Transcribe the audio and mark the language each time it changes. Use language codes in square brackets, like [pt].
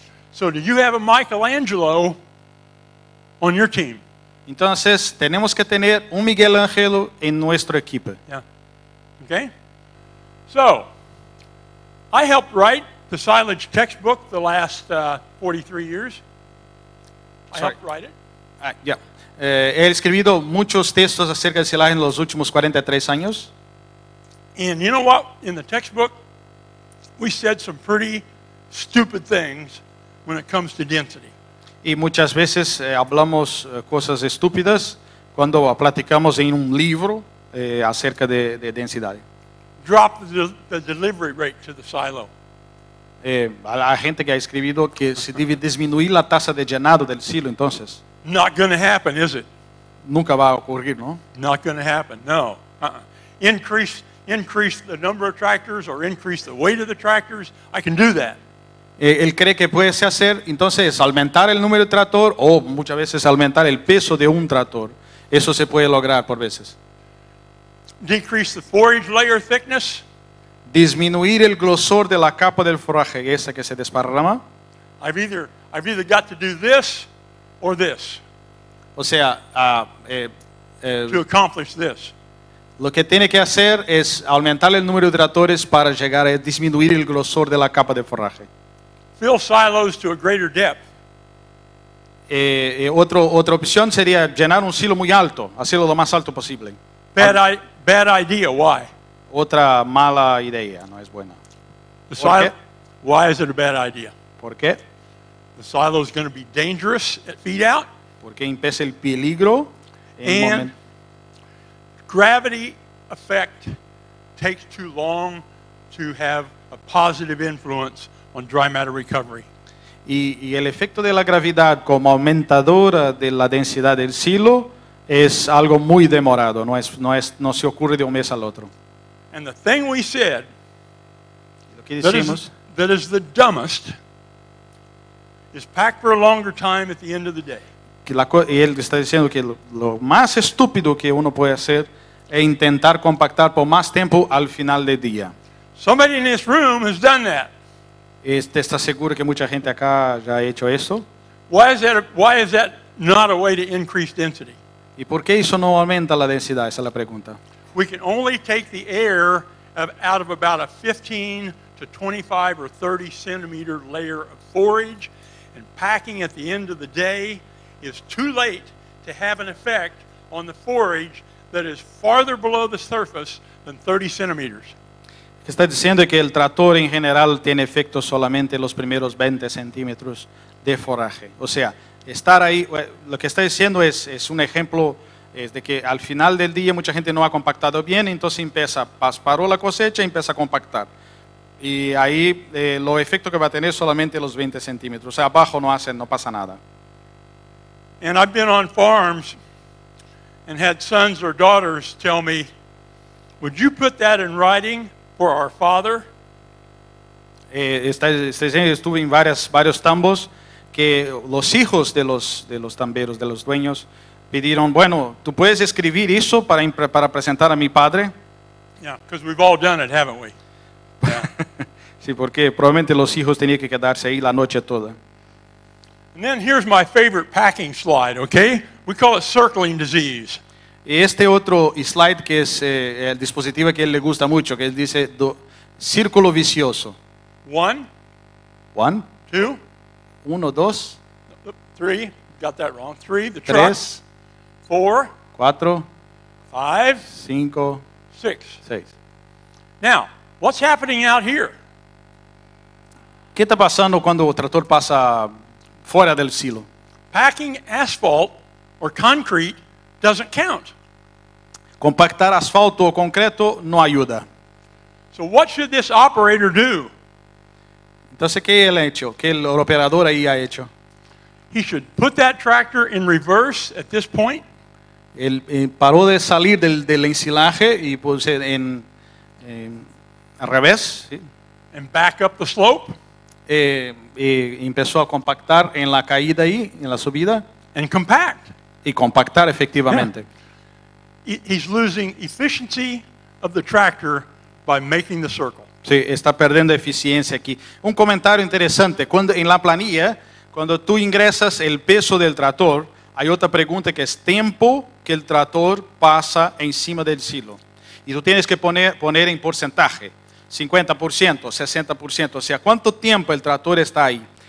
[en] So do you have a Michelangelo on your team? [es] Entonces tenemos que tener un Miguel Ángel en nuestro equipo. [en] Yeah. Okay. So I helped write the silage textbook the last 43 years. Sorry. I helped write it. [es] He escribido muchos textos acerca del silage en los últimos 43 años. [en] And you know what? In the textbook, we said some pretty stupid things when it comes to density. [es] Y muchas veces hablamos cosas estúpidas cuando platicamos en un libro acerca de densidad. [en] Drop the delivery rate to the silo. [es] La gente que ha escrito que se debe disminuir la tasa de llenado del silo, entonces. [en] Not going to happen, is it? [es] Nunca va a ocurrir, ¿no? [en] Not going to happen, no. Uh-uh. Increase the number of tractors or increase the weight of the tractors, I can do that. [es] Él cree que puede hacer, entonces, aumentar el número de tractor o muchas veces aumentar el peso de un tractor. Eso se puede lograr por veces. [en] Decrease the forage layer thickness. [es] Disminuir el grosor de la capa del forraje, esa que se desparrama. [en] I've either got to do this or this. [es] O sea, [en] to accomplish this. [es] Lo que tiene que hacer es aumentar el número de tractores para llegar a disminuir el grosor de la capa de forraje. [en] Fill silos to a greater depth. [es] Otra opción sería llenar un silo muy alto, hacerlo lo más alto posible. [en] Bad idea, why? [es] Otra mala idea, no es buena. [en] The silo, why is it a bad idea? [es] ¿Por qué? [en] The silo is going to be dangerous at feed out. [es] Porque empieza el peligro en un momento. [en] Gravity effect takes too long to have a positive influence on dry matter recovery. [es] Y el efecto de la gravedad como aumentadora de la densidad del silo es algo muy demorado, no se ocurre de un mes al otro. [en] And the thing we said, [es] lo que decimos, [en] that is the dumbest, is packed for a longer time at the end of the day. [es] Y él está diciendo que lo más estúpido que uno puede hacer es intentar compactar por más tiempo al final del día. [en] Somebody in this room has done that. [es] ¿Está seguro que mucha gente acá ya ha hecho eso? [en] Why is that not a way to increase density? [es] ¿Y por qué eso no aumenta la densidad? Esa es la pregunta. [en] We can only take the air out of about a 15 to 25 or 30 centimeter layer of forage, and packing at the end of the day is too late to have an effect on the forage that is farther below the surface than 30 centimeters. [es] Está diciendo que el trator en general tiene efecto solamente los primeros 20 centímetros de foraje. O sea, estar ahí, lo que está diciendo es un ejemplo es de que al final del día mucha gente no ha compactado bien, entonces empieza, paró la cosecha y empieza a compactar. Y ahí lo efecto que va a tener solamente los 20 centímetros. O sea, abajo no hacen, no pasa nada. [en] And I've been on farms and had sons or daughters tell me, would you put that in writing for our father? [es] Estuve en varios tambos que los hijos de los tamberos, de los dueños, pidieron, bueno, ¿tú puedes escribir eso para presentar a mi padre? [en] Yeah, because we've all done it, haven't we? [es] Sí, porque probablemente los hijos tenían que quedarse ahí la noche toda. [en] And then here's my favorite packing slide, okay? We call it circling disease. [es] Y este otro slide que es el dispositivo que él le gusta mucho, que él dice círculo vicioso. [en] One. Two. [es] Uno, dos. [en] Three. Got that wrong. Three, the truck. [es] Tres. [en] Four. [es] Cuatro. [en] Five. [es] Cinco. [en] Six. [es] Seis. [en] Now, what's happening out here? [es] ¿Qué está pasando cuando el tractor pasa fuera del silo? [en] Packing asphalt or concrete doesn't count. [es] Compactar asfalto o concreto no ayuda. [en] So what should this operator do? [es] Entonces, ¿qué él ha hecho? ¿Qué el operador ahí ha hecho? [en] He should put that tractor in reverse at this point. [es] Él paró de salir del ensilaje y puse en revés. ¿Sí? [en] And back up the slope. [es] Empezó a compactar en la caída ahí, en la subida. [en] And compact. [es] Y compactar efectivamente. [en] Yeah. He's losing efficiency of the tractor by making the circle. [es] Sí, está perdiendo eficiencia aquí. Un comentario interesante. Cuando en la planilla, cuando tú ingresas el peso del tractor, hay otra pregunta que es tiempo que el tractor pasa encima del silo. Y tú tienes que poner en porcentaje. 50%, 60%. O sea, ¿cuánto tiempo el tractor está ahí?